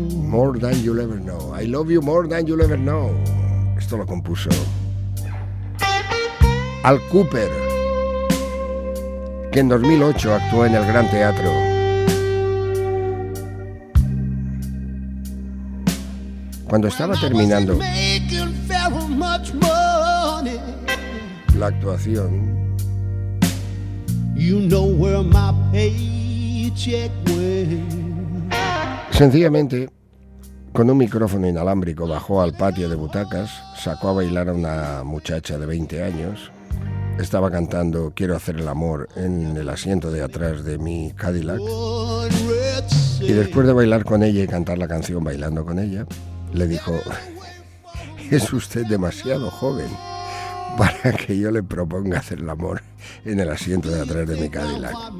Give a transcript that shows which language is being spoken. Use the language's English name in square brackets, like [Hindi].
[English] More than you'll ever know. I love you more than you'll ever know. [Spanish] Esto lo compuso Al Cooper, que en 2008 actuó en el Gran Teatro. Cuando estaba terminando la actuación, [English] you know where my paycheck went. [Spanish] Sencillamente, con un micrófono inalámbrico bajó al patio de butacas, sacó a bailar a una muchacha de 20 años. Estaba cantando Quiero hacer el amor en el asiento de atrás de mi Cadillac. Y después de bailar con ella y cantar la canción bailando con ella, le dijo: es usted demasiado joven para que yo le proponga hacer el amor en el asiento de atrás de mi Cadillac.